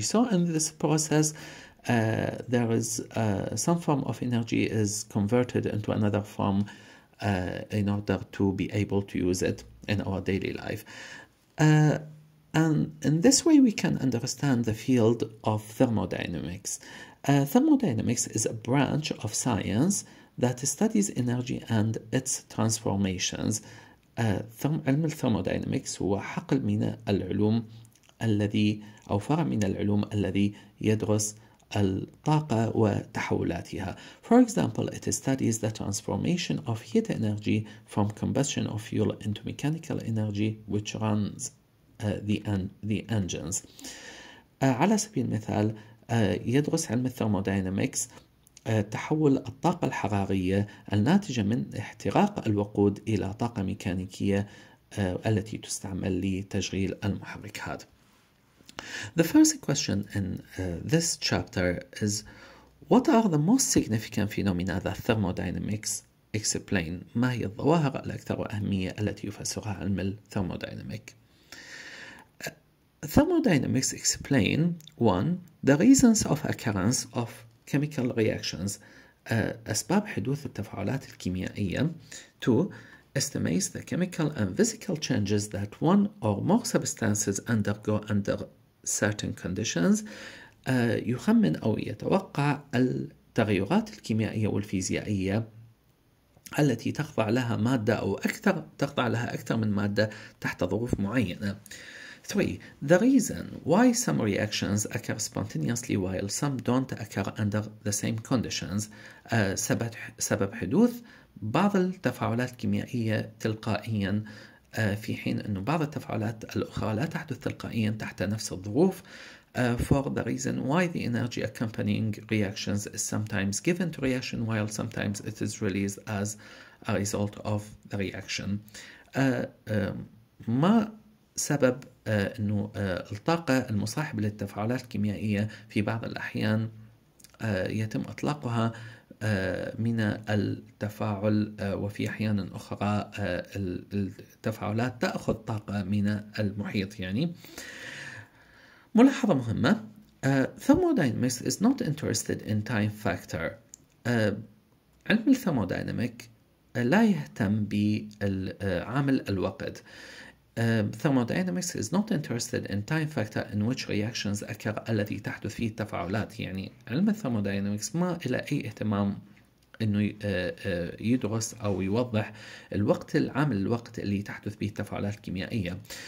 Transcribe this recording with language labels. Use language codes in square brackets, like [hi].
[en] So in this process, there is some form of energy is converted into another form in order to be able to use it in our daily life. And in this way, we can understand the field of thermodynamics. Thermodynamics is a branch of science that studies energy and its transformations. [ar] علم الثرمودينامكس هو حقل من العلوم الذي أو فرع من العلوم الذي يدرس الطاقة وتحولاتها. [en] For example, it studies the transformation of heat energy from combustion of fuel into mechanical energy which runs the engines. [ar] على سبيل المثال يدرس علم الثرمودينامكس تحول الطاقة الحرارية الناتجة من احتراق الوقود إلى طاقة ميكانيكية التي تستعمل لتشغيل المحركات. [en] The first question in this chapter is what are the most significant phenomena that thermodynamics explain? [ar] ما هي الظواهر الأكثر أهمية التي يفسرها علم الثرمودينامك؟ [en] Thermodynamics explain one, the reasons of occurrence of chemical reactions, [ar] أسباب حدوث التفاعلات الكيميائية. [en] 2. Estimates the chemical and physical changes that one or more substances undergo under certain conditions. [ar] يخمن أو يتوقع التغيرات الكيميائية والفيزيائية التي تخضع لها مادة أو أكثر تخضع لها أكثر من مادة تحت ظروف معينة. [en] 3. The reason why some reactions occur spontaneously while some don't occur under the same conditions. [ar] سبب حدوث بعض التفاعلات الكيميائية تلقائيا في حين أن بعض التفاعلات الأخرى لا تحدث تلقائيا تحت نفس الظروف. [en] 4. The reason why the energy accompanying reactions is sometimes given to reaction while sometimes it is released as a result of the reaction. [ar] ما سبب أنه الطاقة المصاحبة للتفاعلات الكيميائية في بعض الأحيان يتم إطلاقها من التفاعل وفي أحيان أخرى التفاعلات تأخذ طاقة من المحيط يعني. ملاحظة مهمة. [en] Thermodynamics is not interested in time factor. [ar] علم الثرمودينامك لا يهتم بعامل الوقت. [en] Thermodynamics is not interested in time factor in which reactions occur [ar] التي تحدث فيه التفاعلات. يعني علم الثرمودينامكس ما إلى أي اهتمام أنه يدرس أو يوضح الوقت العامل الوقت اللي تحدث فيه التفاعلات الكيميائية.